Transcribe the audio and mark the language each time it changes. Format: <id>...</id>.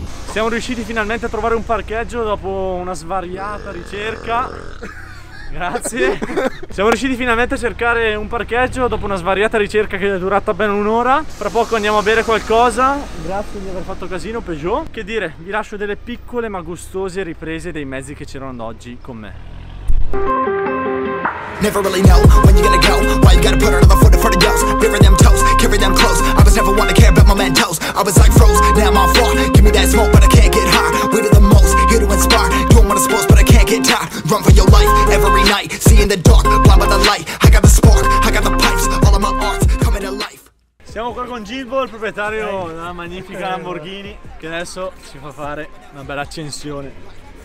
<it>Siamo riusciti finalmente a trovare un parcheggio dopo una svariata ricerca. Grazie. Siamo riusciti finalmente a cercare un parcheggio dopo una svariata ricerca che è durata ben un'ora. Fra poco andiamo a bere qualcosa. Grazie di aver fatto casino, Peugeot. Che dire, vi lascio delle piccole ma gustose riprese dei mezzi che c'erano ad oggi con me.</it> <en>Never really know when you're gonna go. Why you gotta put another foot in front of yours? Bearing them toes, carry them close. I was never one to care about my mentos. I was like froze, now I'm on fire. Give me that smoke, but I can't get high. We're the most, here to inspire. Doing what I'm supposed, but I can't get tired. Run for your life, every night. See in the dark, blind by the light. I got the spark, I got the pipes. All of my arts coming to life.</en> <it>Siamo qua con Gilbo, il proprietario della magnifica Lamborghini, che adesso ci fa fare una bella accensione.</it>